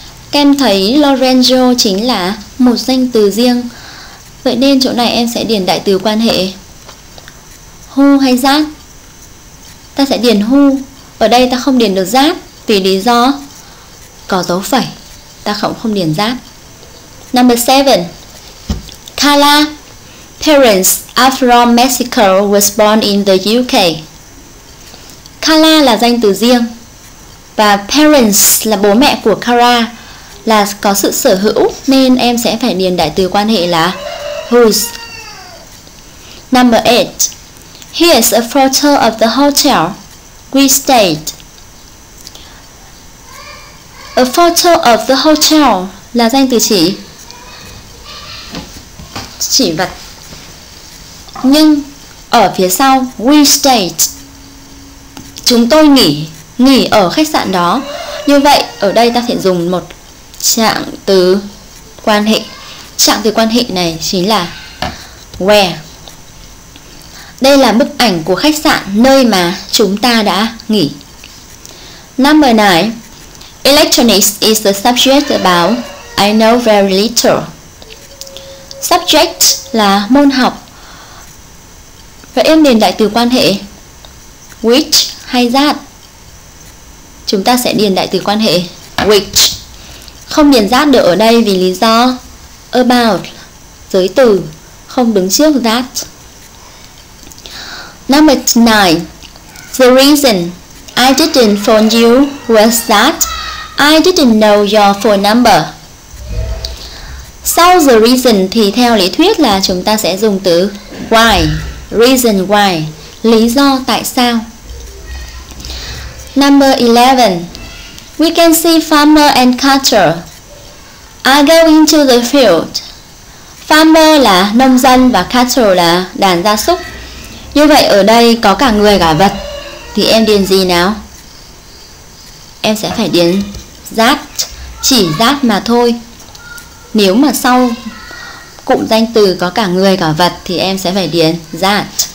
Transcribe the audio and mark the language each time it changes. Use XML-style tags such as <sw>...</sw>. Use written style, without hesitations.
<vi>Em thấy Lorenzo chính là một danh từ riêng. Vậy nên chỗ này em sẽ điền đại từ quan hệ who hay that. Ta sẽ điền who. Ở đây ta không điền được that vì lý do có dấu phẩy. Ta không điền that.</vi> <en>Number 7. Carla parents are from Mexico was born in the UK.</en> <vi>Carla là danh từ riêng và parents là bố mẹ của Carla. Là có sự sở hữu nên em sẽ phải điền đại từ quan hệ là whose.</vi> <en>Number 8. Here's a photo of the hotel we stayed.</en> <vi>A photo of the hotel là danh từ chỉ vật. Nhưng ở phía sau we stayed, chúng tôi nghỉ ở khách sạn đó. Như vậy ở đây ta sẽ dùng một trạng từ quan hệ. Trạng từ quan hệ này chính là where. Đây là bức ảnh của khách sạn nơi mà chúng ta đã nghỉ.</vi> <en>Number 9. Electronics is the subject about I know very little.</en> <vi>Subject là môn học. Vậy em điền đại từ quan hệ which hay that? Chúng ta sẽ điền đại từ quan hệ which. Không điền that được ở đây vì lý do about, giới từ, không đứng trước that.</vi> <en>Number 9. The reason I didn't phone you was that I didn't know your phone number.</en> <vi>Sau the reason thì theo lý thuyết là chúng ta sẽ dùng từ why, reason why, lý do tại sao.</vi> <en>Number 11. We can see farmer and cutter are going to the field.</en> <vi>Farmer là nông dân và cutter là đàn gia súc. Như vậy ở đây có cả người cả vật thì em điền gì nào? Em sẽ phải điền that, chỉ that mà thôi. Nếu mà sau cụm danh từ có cả người cả vật thì em sẽ phải điền that.</vi>